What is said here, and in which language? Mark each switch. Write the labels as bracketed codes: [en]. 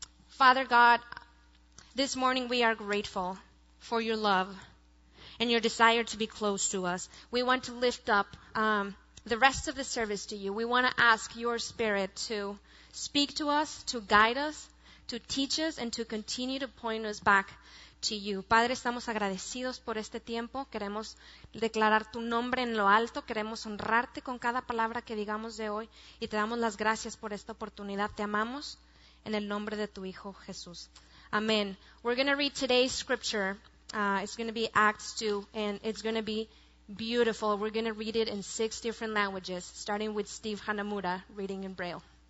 [en] Father God, this morning we are grateful for your love and your desire to be close to us. We want to lift up the rest of the service to you. We want to ask your Spirit to speak to us, to guide us, to teach us, and to continue to point us back to you. [es] Padre, estamos agradecidos por este tiempo. Queremos declarar tu nombre en lo alto. Queremos honrarte con cada palabra que digamos de hoy. Y te damos las gracias por esta oportunidad. Te amamos en el nombre de tu Hijo Jesús. [en] Amen. We're going to read today's scripture. It's going to be Acts 2, and it's going to be beautiful. We're going to read it in 6 different languages, starting with Steve Hanamura reading in Braille.